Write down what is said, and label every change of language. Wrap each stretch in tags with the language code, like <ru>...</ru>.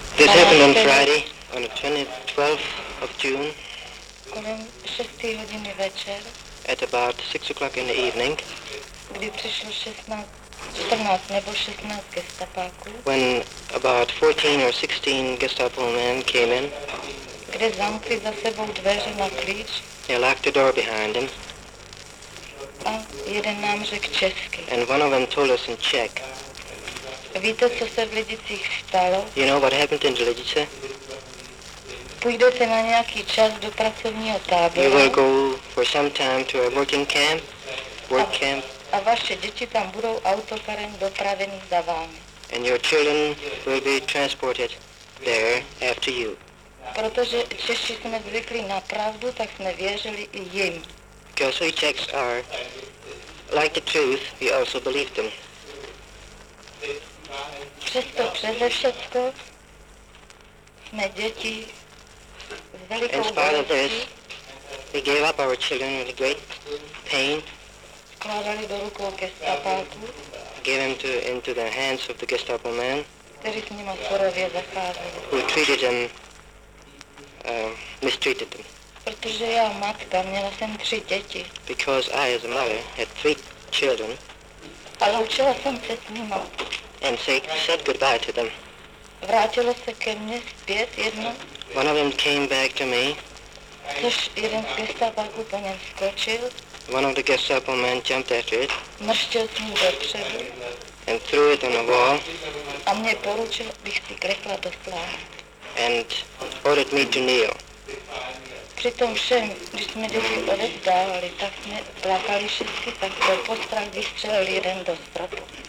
<en>This happened on Friday, on the 12th of June.</en> <cs>Kolem 6 hodiny večer.</cs> <en>At about 6 o'clock in the evening.</en> <cs>Kdy přišlo 14 nebo 16 gestapáků.</cs> <en>When about 14 or 16 Gestapo men came in.</en> <cs>Kde zamkli za sebou dveře na klíč.</cs> <en>They locked the door behind them.</en> <cs>A jeden nám řekl česky.</cs> <en>And one of them told us in Czech.</en> <cs>Víte, co se v Lidicích stalo?</cs> <en>You know what happened in Lidice?</en> <cs>Půjdete na nějaký čas do pracovního tábora.</cs> <en>You will go for some time to a working camp, work camp.</en> <cs>A vaše děti tam budou autokarem dopraveny za vámi.</cs> <en>And your children will be transported there after you.</en> <cs>Protože Češi jsme zvyklí na pravdu, tak jsme věřili i jim.</cs> <en>Because we Czechs are like the truth, we also believe them.</en> <cs>Přesto přeze všechno jsme děti s velikou bolestí.</cs> <en>We gave up our children with great pain.</en> <cs>Vkládali do rukou gestapáku.</cs> <en>Gave them into the hands of the Gestapo man.</en> <cs>Který s nima surově zacházeli.</cs> <en>Who treated them, mistreated them.</en> <cs>Protože já matka, měla jsem tři děti.</cs> <en>Because I, as a mother, had three children.</en> <cs>A loučila jsem se s nima.</cs> <en>And said goodbye to them.</en> <cs>Vrátilo se ke mně zpět jedno.</cs> <en>One of them came back to me.</en> <cs>Což jeden z gestapáků po něm skočil.</cs> <en>One of the Gestapo men jumped after it.</en> <cs>Mrštěl s ním dopředu.</cs> <en>And threw it on a wall.</en> <cs>A mě poručil, bych si krekla do slávy.</cs> <en>And ordered me to kneel.</en> <cs>Přitom všem, když jsme děti odevzdávali, tak jsme plakali všichni, tak to postrach vystřelil jeden do stropu.</cs>